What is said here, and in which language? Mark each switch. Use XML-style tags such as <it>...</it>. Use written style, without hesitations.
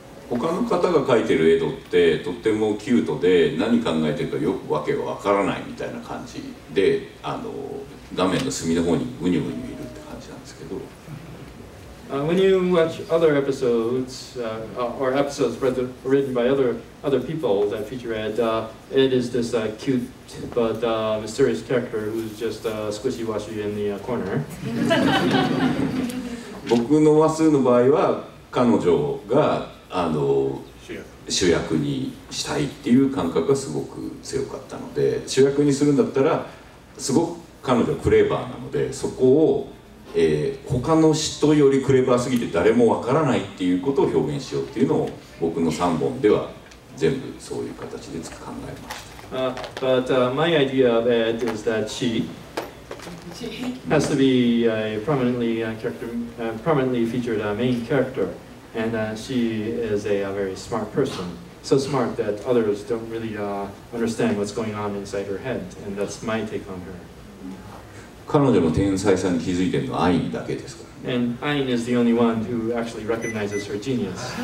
<ja>他の方が書いてるエドってとってもキュートで何考えてるかよくわけがわからないみたいな感じで、あの、画面の隅の方にウニウニいるって感じなんですけど。</ja> <en>When you watch other episodes or episodes written by other people that feature Ed, Ed is this cute but mysterious character who's just squishy washy in the corner.</en> <ja>僕の話数の場合は彼女が、あの、主役にしたいっていう感覚がすごく強かったので、主役にするんだったらすごく彼女はクレーバーなので、そこを他の人よりクレバーすぎて誰もわからないっていうことを表現しようっていうのを、僕の3本では全部そういう形で考えました。</ja> <en>My idea of Ed is that she has to be a prominently, character, prominently featured main character, and she is a very smart person. So smart that others don't really understand what's going on inside her head, and that's my take on her.</en> <ja>彼女の天才さに気づいてるのはアインだけですから、</ja> <en>ね。And Ayn is the only one who actually recognizes her genius.</en>